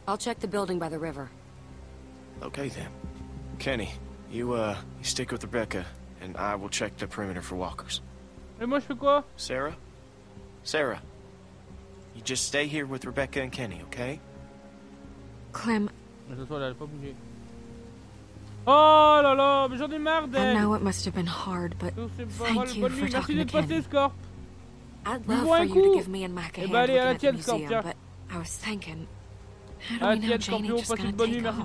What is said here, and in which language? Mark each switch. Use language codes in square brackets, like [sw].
[en] I'll check the building by the river. Okay, then. Kenny, you stick with Rebecca, and I will check the perimeter for walkers. [fr] Et moi, je fais quoi? [en] Sarah, you just stay here with Rebecca and Kenny, okay? Clem... [fr] Oh là là, mais j'en ai marre d'elle. [en] I know it must have been hard, but thank you for talking to Kenny. I'd love for you to give me and Mac a hand looking at the museum, but I was thinking, how do we know Janie's just gonna take off?